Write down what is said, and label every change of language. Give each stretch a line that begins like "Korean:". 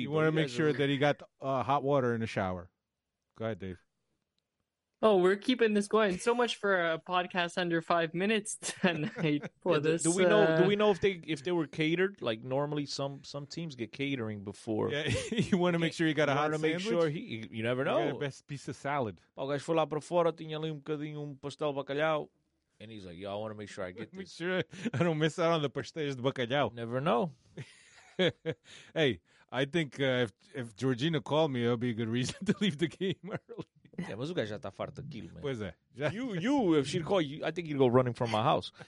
English: You want to make sure that he got hot water in the shower. Go ahead, Dave. Oh, we're keeping this going. So much for a podcast under 5 minutes tonight for this. Do we know if they were catered? Like normally some teams get catering before. Yeah, you want to make sure you got a hot sandwich? Make sure you never know. You got the best piece of salad.
Portuguese: O gajo foi lá para fora, tinha ali um bocadinho pastel de bacalhau.
English: And he's like, yo, I want to make sure I get this. Make sure I don't miss out on the pastéis de bacalhau. Never know. Hey. I think if Georgina called me, it would be a good reason to leave the game early. Yeah, but the guy's already fart of kill, man.
Portuguese: Pois é.
English: You, if she'd call you, I think you'd go running from my house.